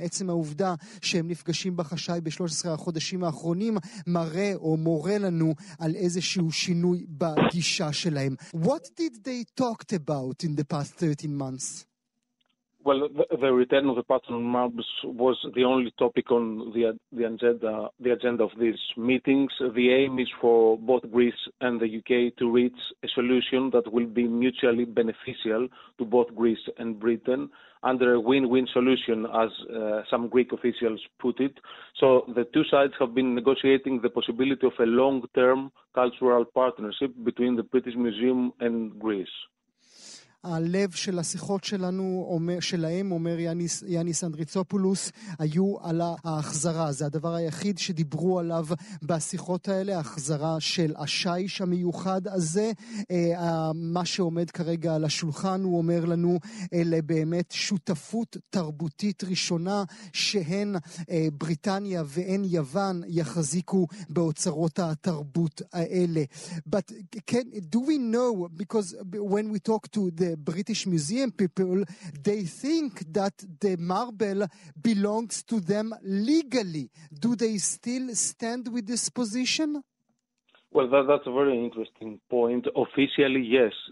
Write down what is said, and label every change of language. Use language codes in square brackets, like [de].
[he] עצם העובדה שהם נפגשים בחשאי ב-13 החודשים האחרונים מראה או מורה לנו על איזשהו שינוי בגישה שלהם. [en] What did they talked about in the past 13 months? Well, the return of the pattern on Mars was the only topic on the agenda of these meetings. The aim is for both Greece and the UK to reach a solution that will be mutually beneficial to both Greece and Britain under a win-win solution, as some Greek officials put it. So the two sides have been negotiating the possibility of a long-term cultural partnership between the British Museum and Greece. [he] הלב של השיחות שלנו, שלהם, אומר יאניס אנדריצופולוס, היו על ההחזרה. זה הדבר היחיד שדיברו עליו בשיחות האלה, ההחזרה של השייש המיוחד הזה. מה שעומד כרגע על השולחן, הוא אומר לנו, אלה באמת שותפות תרבותית ראשונה, שהן בריטניה והן יוון יחזיקו באוצרות התרבות האלה. [en] But can, do we know, because when we talk to the British Museum people, they think that the marble belongs to them legally. Do they still stand with this position? Well, that's a very interesting point. Officially, yes.